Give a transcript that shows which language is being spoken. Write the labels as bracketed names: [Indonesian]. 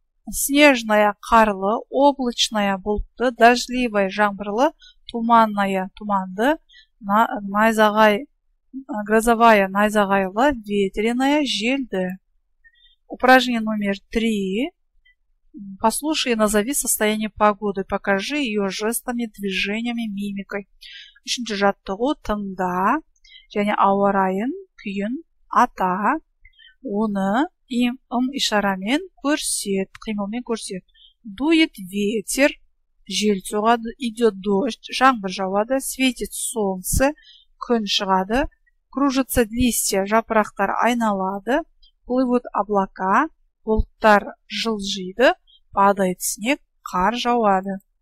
[Russian] Снежная, [Kazakh] қарлы, [Russian] облачная, [Kazakh] бұлтты, [Russian] дождливая, [Kazakh] жаңбырлы, [Russian] туманная, [Kazakh] туманды, майзағай, [Russian] грозовая, [Kazakh] найзағайлы, [Russian] ветреная, [Kazakh] желді. [Russian] Упражнение номер 3. Послушай и назови состояние погоды. Покажи ее жестами, движениями, мимикой. [Kazakh] Үшінші жаттығу тыңда, және ауа райын, күйін, ата, оны, ишарамен көрсет, қимылмен көрсет. [Russian] Дует ветер, [Kazakh] жел соғады, [Russian] идет дождь, [Kazakh] жаңбыр жауады, [Russian] светит солнце, [Kazakh] күн шығады, [Russian] кружатся листья, [Kazakh] жапырақтар айналады, [Russian] плывут облака, [Kazakh] бұлттар жылжиды, [Russian] падает снег, [Kazakh] қар жауады.